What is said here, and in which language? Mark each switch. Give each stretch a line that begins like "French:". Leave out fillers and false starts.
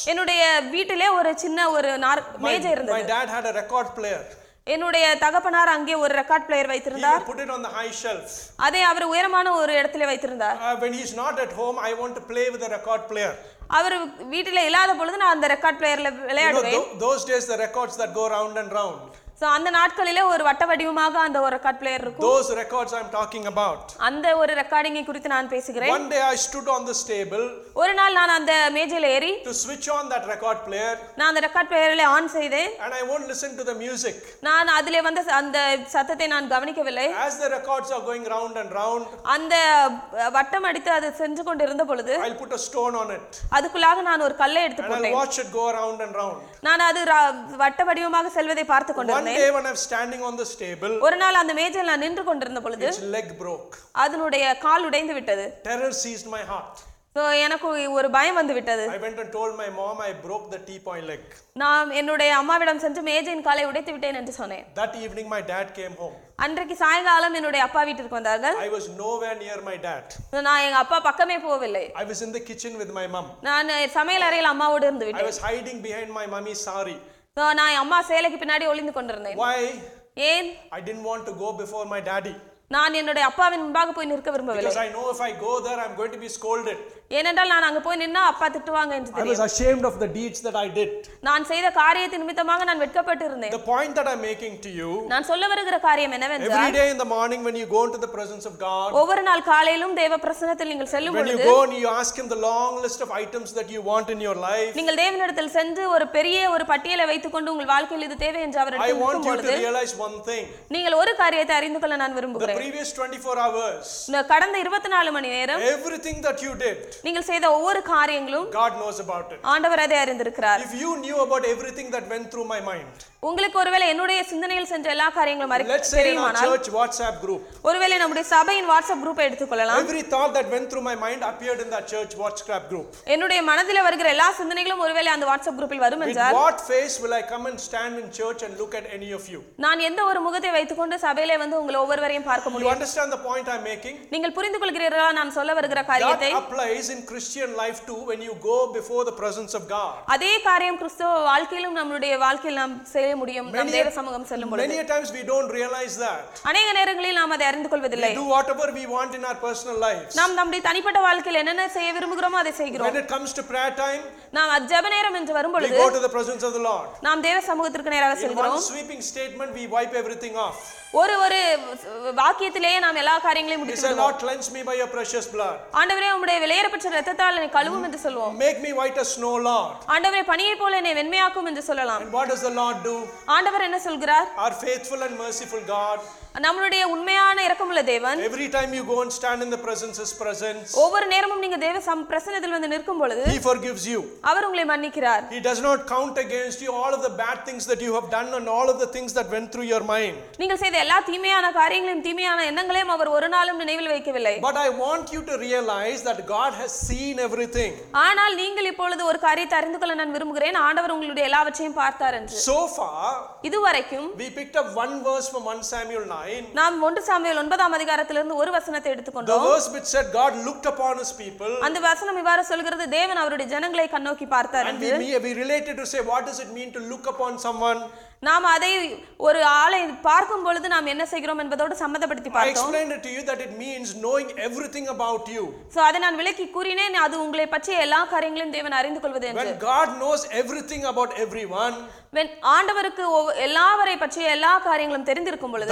Tamil: என்னுடைய வீட்டிலே ஒரு சின்ன ஒரு மேஜை இருந்தது.
English: My dad had a record player.
Tamil: என்னுடைய தகப்பனார் அங்கே ஒரு ரெக்கார்ட் பிளேயர் வைத்திருந்தார்.
English: He put it on the high shelf.
Tamil: அதை அவர் உயரமான ஒரு இடத்திலே வைத்திருந்தார்.
English: When he is not at home, I want to play with the record player.
Tamil: அவர் வீட்டிலே இல்லாத பொழுது நான் அந்த ரெக்கார்ட் பிளேயர்ல விளையாடுவேன்.
English: Those days the records that go round and round.
Tamil: அந்த நாட்களிலே ஒரு வட்ட வடிவமாக அந்த ஒரு ரெக்கார்ட் பிளேயர் இருக்கும்.
English: Those records I'm talking about.
Tamil: அந்த ஒரு ரெக்கார்டிங்கை குறித்து நான் பேசுகிறேன்.
English: One day I stood on this table.
Tamil: ஒரு நாள் நான் அந்த மேஜையில் ஏறி
English: to switch on that record player.
Tamil: நான் அந்த ரெக்கார்ட் பிளேயரை ஆன் செய்தேன்.
English: And I won't listen to the music.
Tamil: நான் அதிலே வந்த அந்த சத்தத்தை நான் கவனிக்கவில்லை.
English: As the records are going round and round.
Tamil: அந்த வட்டம் அடித்து அது சென்று கொண்டிருந்த பொழுது
English: I'll put a stone on it.
Tamil: அதுக்குள்ளாக நான் ஒரு கல்லை எடுத்து போட்டேன்.
English: And I'll watch it go round and round.
Tamil: நான் அது வட்ட வடிவமாக செல்வதை பார்த்து கொண்டேன்.
English: One day when I'm standing on the stable,
Tamil: ஒரு நாள் அந்த மேஜையில் நான் நின்று கொண்டிருந்த பொழுது
English: its leg broke.
Tamil: அதனுடைய கால் உடைந்து விட்டது.
English: Terror seized my heart.
Tamil: So எனக்கு ஒரு பயம் வந்து விட்டது.
English: I went and told my mom I broke the teapot leg.
Tamil: நான் என்னுடைய அம்மாவிடம் சென்று மேஜையின் காலை உடைத்து விட்டேன் என்று சொன்னேன்.
English: That evening my dad came home.
Tamil: அன்றைக்கு சாயங்காலம் என்னுடைய அப்பா வீட்டுக்கு வந்தார்கள்.
English: I was nowhere near my dad.
Tamil: நான் எங்க அப்பா பக்கமே போகவில்லை.
English: I was in the kitchen with my mom.
Tamil: நான் சமையல் அறையில் அம்மாவோடு இருந்து விட்டேன்.
English: I was hiding behind my mummy's saree.
Tamil: So, நான் அம்மா சேலைக்கு பின்னாடி ஒளிந்து கொண்டிருந்தேன்.
English: Why?
Tamil: ஏன்?
English: I didn't want to go before my daddy.
Tamil: நான் என்னுடைய அப்பாவின் முன்பாக போய் நிற்க விரும்பவில்லை.
English: Because I know if I go there I'm going to be scolded.
Tamil: ஏனென்றால் நான் அங்க போய் நின்னா அப்பா திட்டுவாங்க என்று தெரியும்.
English: I was ashamed of the deeds that I did.
Tamil: நான் செய்த காரியத்தின் நிமித்தமாக நான் வெட்கப்பட்டிருந்தேன்.
English: The point that I'm making to you.
Tamil: நான் சொல்ல வருகிற காரியம் என்னவென்றால்
English: Every day in the morning when you go into the presence of God.
Tamil: ஒவ்வொரு நாள் காலையிலும் தேவ பிரசன்னத்தில் நீங்கள் செல்லும் பொழுது
English: When you go and you ask him the long list of items that you want in your life.
Tamil: நீங்கள் தேவனிடத்தில் சென்று ஒரு பெரிய ஒரு பட்டியலை வைத்துக்கொண்டு உங்கள் வாழ்க்கையில் இது தேவை என்று அவரிடம் கேட்கும் பொழுது
English: I want you to realize one thing.
Tamil: நீங்கள் ஒரு காரியத்தை அறிந்து கொள்ள நான் விரும்புகிறேன்.
English: The previous 24 hours.
Tamil: கடந்த 24 மணி நேரம்
English: Everything that you did.
Tamil: நீங்கள் செய்த ஒவ்வொரு காரியங்களும்
English: God knows about it.
Tamil: ஆண்டவர் அதை அறிந்திருக்கிறார்.
English: If you knew about everything that went through my mind.
Tamil: உங்களுக்கு ஒருவேளை என்னுடைய சிந்தனையில் சென்ற எல்லா காரியங்களும் தெரியுமானால்
English: Let's say our church WhatsApp group.
Tamil: ஒருவேளை நம்முடைய சபையின் WhatsApp group எடுத்துக்கொள்ளலாம்.
English: Every thought that went through my mind appeared in that church WhatsApp group.
Tamil: என்னுடைய மனதில் வருகிற எல்லா சிந்தனைகளும் ஒருவேளை அந்த WhatsApp group இல் வரும் என்றால்
English: With what face will I come and stand in church and look at any of you?
Tamil: நான் எந்த ஒரு முகத்தை வைத்துக்கொண்டு சபையிலே வந்து உங்களை ஒவ்வொருவரையும் பார்க்க முடியும்?
English: You understand the point I'm making?
Tamil: நீங்கள் புரிந்துகொள்கிறீர்களா நான் சொல்ல வருகிற காரியத்தை?
English: Applies in Christian life too when you go before the presence of God.
Tamil: அதே காரியம் கிறிஸ்துவ வாழ்க்கையிலும் நம்முடைய வாழ்க்கையில் நாம் செய்ய முடியும். நாம் தேவ சமூகம் செல்லும் பொழுது
English: Many times we don't realize that.
Tamil: அநேக நேரங்களில் நாம் அதை அறிந்து கொள்வதில்லை.
English: We do whatever we want in our personal lives.
Tamil: நாம் நம்முடைய தனிப்பட்ட வாழ்க்கையில் என்னென்ன செய்ய விரும்புகிறோமோ அதை செய்கிறோம்.
English: When it comes to prayer time,
Tamil: நாம் ஜெப நேரம் என்று வரும் பொழுது
English: we go to the presence of the Lord.
Tamil: நாம் தேவ சமூகத்திற்கு நேராக செல்கிறோம்.
English: In one sweeping statement we wipe everything off.
Tamil: ஒரு ஒரு வாக்கியத்திலேயே நாம் எல்லா காரியங்களையும் முடித்துவிடுவோம்.
English: He shall not cleanse me by your precious blood.
Tamil: ஆண்டவரே, உம்முடைய விலையேறப்பட்ட இரத்தத்தால் என்னை கழுவும் என்று சொல்வோம்.
English: Make me white as snow, Lord.
Tamil: ஆண்டவரே, பனியைப் போல என்னை வெண்மையாக்கும் என்று சொல்லலாம்.
English: And what does the Lord do?
Tamil: ஆண்டவர் என்ன சொல்கிறார்?
English: Our faithful and merciful God.
Tamil: நம்மளுடைய உண்மையான இரக்கமுள்ள தேவன்.
English: Every time you go and stand in the presence's presence.
Tamil: ஒவ்வொரு நேரமும் நீங்க தேவ சமூகத்தில் வந்து நிற்கும் பொழுது.
English: He forgives you.
Tamil: அவர் உங்களை மன்னிக்கிறார்.
English: He does not count against you all of the bad things that you have done and all of the things that went through your mind.
Tamil: நீங்கள் செய்த எல்லா தீமையான காரியங்களையும் தீமையான எண்ணங்களையும் அவர் ஒரு நாளும் நினைவில் வைக்கவில்லை.
English: But I want you to realize that God has seen everything.
Tamil: ஆனால் நீங்கள் இப்பொழுது ஒரு காரியத்தை அறிந்து கொள்ள நான் விரும்புகிறேன். ஆண்டவர் உங்களுடைய எல்லாவற்றையும் பார்த்தார் என்று.
English: So far
Tamil: இதுவரைக்கும்
English: we picked up one verse from 1 Samuel 9.
Tamil: நாம் 1 சாமுவேல் 9 அதிகாரத்திலிருந்து ஒரு வசனத்தை எடுத்துக்கொண்டோம்.
English: The verse which said God looked upon his people.
Tamil: அந்த வசனம் இவ்வாறு சொல்கிறது, தேவன் அவருடைய ஜனங்களை கண்ணோக்கி பார்த்தார் என்று.
English: And we related to say what does it mean to look upon someone?
Tamil: நாம் அதை ஒரு ஆளை பார்க்கும் பொழுது நாம் என்ன செய்கிறோம் என்பதோடு சம்பந்தப்படுத்தி பார்த்தோம்.
English: I explained it to you that it means knowing everything about you.
Tamil: So அதை நான் விளக்கி கூறினேன், அது உங்களை பற்றிய எல்லா காரியங்களையும் தேவன் அறிந்து கொள்வது என்று.
English: When God knows everything about everyone. When
Tamil: ஆண்டவருக்கு எல்லாவரை பற்றிய எல்லா காரியங்களும் தெரிந்திருக்கும் பொழுது.